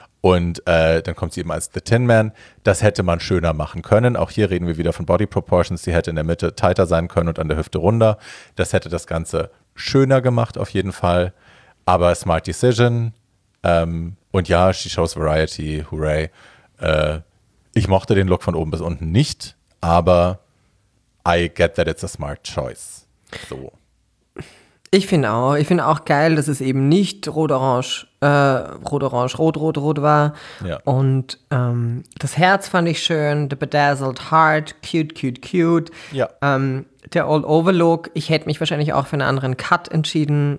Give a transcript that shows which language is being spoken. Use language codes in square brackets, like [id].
[de] und dann kommt sie eben als The Tin Man, das hätte man schöner machen können, auch hier reden wir wieder von Body Proportions, sie hätte in der Mitte tighter sein können und an der Hüfte runder, das hätte das Ganze schöner gemacht auf jeden Fall, aber [en] smart decision [de] und ja, [en] she shows variety, hooray, [de] ich mochte den Look von oben bis unten nicht. [en] Aber I get that it's a smart choice. So. [de] Ich finde auch geil, dass es eben nicht rot-orange-rot war. Ja. Und das Herz fand ich schön, [en] the bedazzled heart, cute. [de] Ja. Der All-Over-Look, ich hätte mich wahrscheinlich auch für einen anderen Cut entschieden.